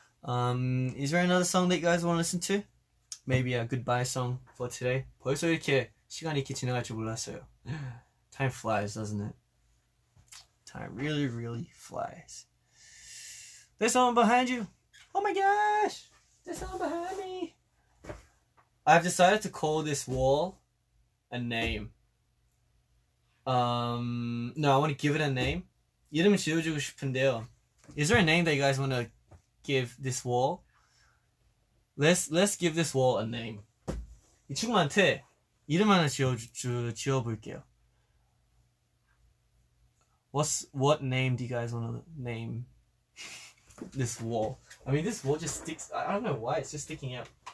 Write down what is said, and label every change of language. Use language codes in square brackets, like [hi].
[en] Is there another song that you guys want to listen to? Maybe a goodbye song for today. [ko] 벌써 이렇게 시간이 이렇게 지나갈 줄 몰랐어요. [en] Time flies, doesn't it? Time really, really flies. There's someone behind you. Oh my gosh! There's someone behind me. I've decided to call this wall a name. No, I want to give it a name. [ko] 이름을 지어주고 싶은데요. [en] Is there a name that you guys want to give this wall? Let's give this wall a name. [ko] 이 친구한테 이름 하나 지어볼게요. [en] What name do you guys want to name this wall? I mean, this wall just sticks. I don't know why it's just sticking out.